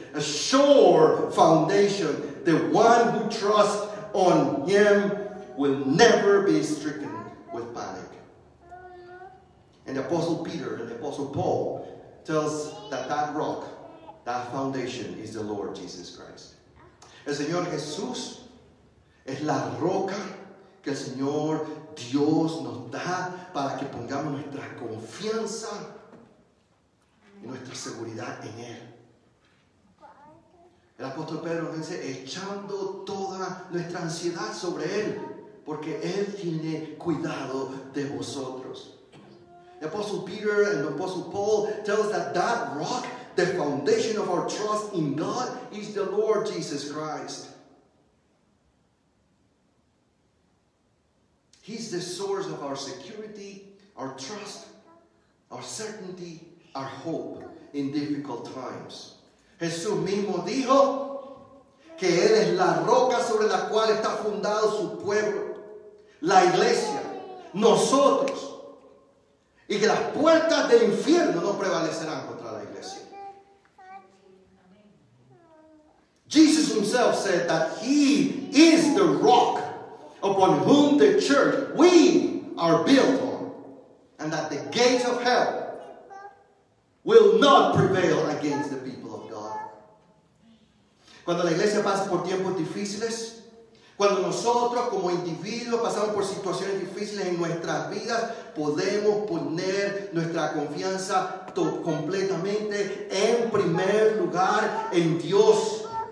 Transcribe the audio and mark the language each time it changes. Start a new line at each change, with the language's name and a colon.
English: A sure foundation. The one who trusts on Him will never be stricken with panic. And the Apostle Peter and the Apostle Paul tells that rock, that foundation is the Lord Jesus Christ.
Spanish: El Señor Jesús es la roca que el Señor Dios nos da para que pongamos nuestra confianza y nuestra seguridad en Él. El apóstol Pedro dice, echando toda nuestra ansiedad sobre Él, porque Él tiene cuidado de vosotros.
English: The apostle Peter and the apostle Paul tell us that rock, the foundation of our trust in God, is the Lord Jesus Christ. He's the source of our security, our trust, our certainty, our hope in difficult times.
Spanish: Jesús mismo dijo que Él es la roca sobre la cual está fundado su pueblo, la iglesia, nosotros, y que las puertas del infierno no prevalecerán contra la iglesia.
English: Jesus himself said that He is the rock upon whom the church, we are built on, and that the gates of hell will not prevail against the people.
Spanish: Cuando la iglesia pasa por tiempos difíciles, cuando nosotros como individuos pasamos por situaciones difíciles en nuestras vidas, podemos poner nuestra confianza completamente en primer lugar en Dios.